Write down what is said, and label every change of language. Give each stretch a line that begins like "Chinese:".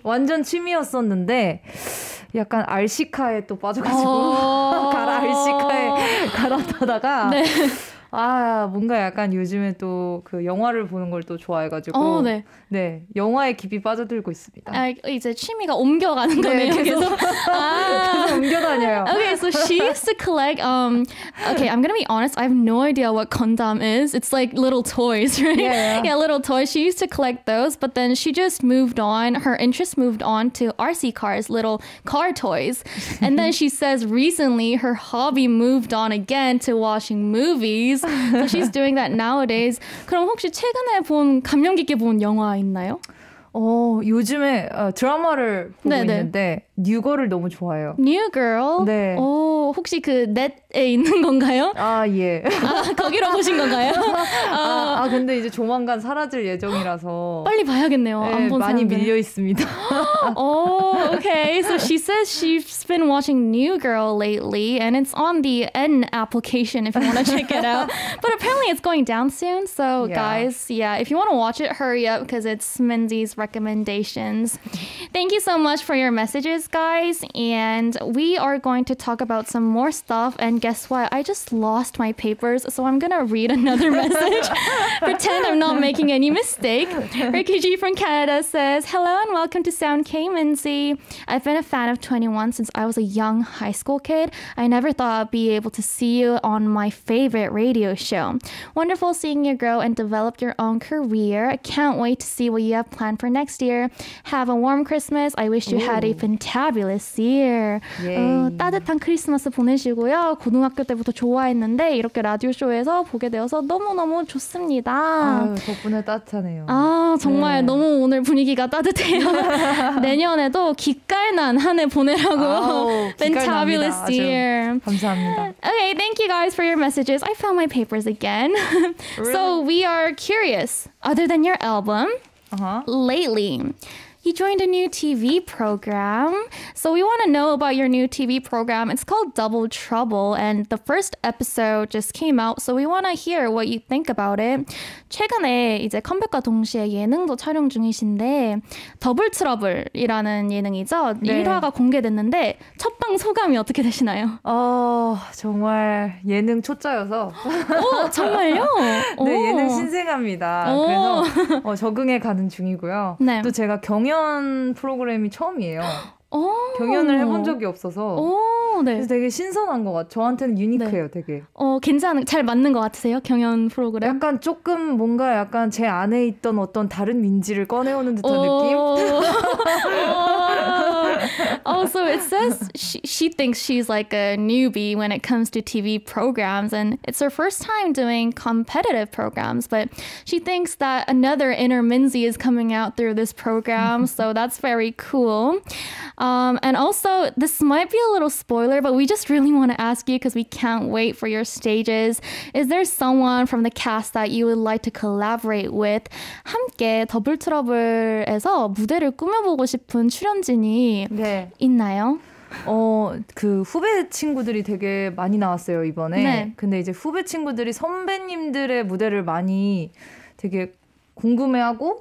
Korean: 완전 취미였었는데 약간 RC카에 또 빠져가지고 가라 RC카에 갈아타다가 네. 아 뭔가 약간 요즘에 또 그 영화를 보는 걸 또 좋아해가지고 네. 네 영화에 깊이 빠져들고 있습니다. 아, 이제 취미가 옮겨가는 거네요. 네, 계속 계속 옮겨다녀요.
English: Okay, so she used to collect. Okay, I'm gonna be honest. I have no idea what condom is. It's like little toys, right? Yeah, yeah. Yeah, little toys. She used to collect those, but then she just moved on. Her interest moved on to RC cars, little car toys. And then she says recently her hobby moved on again to watching movies. So she's doing that nowadays.
Korean: 그럼 혹시 최근에 본 감명 깊게 본 영화 있나요? 요즘에 드라마를 보고 네네. 있는데 New Girl을 너무 좋아해요. New Girl? 네. 오, 혹시 그 넷에 있는 건가요? 아, 예. 아, 거기로 보신 건가요? 아, 근데 이제 조만간 사라질 예정이라서 빨리 봐야겠네요. 네, 안 본 많이 밀려 있습니다. 오, okay.
English: So she says she's been watching New Girl lately and it's on the N application if you want to check it out. But apparently it's going down soon. So yeah. Guys, yeah, if you want to watch it, hurry up because it's Mindy's recommendations. Thank you so much for your messages. Guys, and we are going to talk about some more stuff. And guess what? I just lost my papers, so I'm gonna read another message. Pretend I'm not making any mistake. Ricky G from Canada says, "Hello and welcome to Sound K, Minzy. I've been a fan of 21 since I was a young high school kid. I never thought I'd be able to see you on my favorite radio show. Wonderful seeing you grow and develop your own career. I can't wait to see what you have planned for next year. Have a warm Christmas. I wish you had a fantabulous year.
Korean: 따뜻한 크리스마스 보내시고요. 고등학교 때부터 좋아했는데 이렇게 라디오쇼에서 보게 되어서 너무너무 좋습니다. 아유, 덕분에 따뜻하네요. 아 정말 네. 너무 오늘 분위기가 따뜻해요. 내년에도 기깔난 한 해 보내라고. 아우, fantabulous 기깔납니다. year. 감사합니다.
English: Okay, thank you guys for your messages. I found my papers again. Really? So we are curious. Other than your album, lately, you joined a new TV program. So we want to know about your new TV program. It's called Double Trouble, and the first episode just came out. So we want to hear what you think about it.
Korean: 최근에 이제 컴백과 동시에 예능도 촬영 중이신데 더블 트러블이라는 예능이죠. 네. 1화가 공개됐는데 첫 방 소감이 어떻게 되시나요? 정말 예능 초짜여서. 정말요? 네, 예능 신생아입니다. 그래서 적응해 가는 중이고요. 네. 또 제가 경연 프로그램이 처음이에요. 경연을 해본 적이 없어서 네. 그래서 되게 신선한 것 같아요. 저한테는 유니크해요. 네. 되게 괜찮은 잘 맞는 것 같으세요? 경연 프로그램 약간 조금 뭔가 약간 제 안에 있던 어떤 다른 민지를 꺼내오는 듯한 느낌.
English: So it says she thinks she's like a newbie when it comes to TV programs and it's her first time doing competitive programs, but she thinks that another inner Minzy is coming out through this program. So that's very cool. And also, this might be a little spoiler, but we just really want to ask you because we can't wait for your stages. Is there someone from the cast that you would like to collaborate with?
Korean: 함께 더블 트러블에서 무대를 꾸며보고 싶은 출연진이 네. 있나요? 그 후배 친구들이 되게 많이 나왔어요, 이번에. 네. 근데 이제 후배 친구들이 선배님들의 무대를 많이 되게 궁금해하고